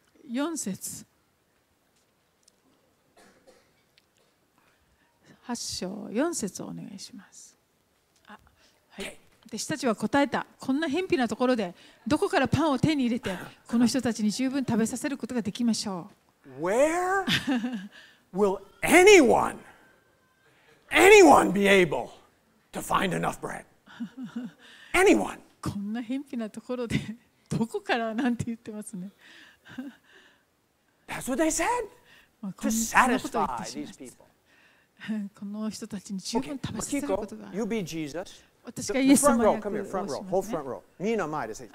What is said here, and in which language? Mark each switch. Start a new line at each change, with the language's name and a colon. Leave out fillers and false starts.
Japanese: 4節8章4節をお願いします。あ、はい、弟子たちは答えた。こんな偏僻なところでどこからパンを手に入れてこの人たちに十分食べさせることができましょう。
English: Where will anyone be able to find enough bread? Anyone?
Japanese: こんな偏僻なところでどこからなんて言ってますね。
English: That's what they said. To satisfy these people.
Japanese: この人たちに十分食べさせることが。
English: Okay, you be Jesus.
Japanese: 私がイエス様役をします。
English: Front row, whole front row. Me and my disciples.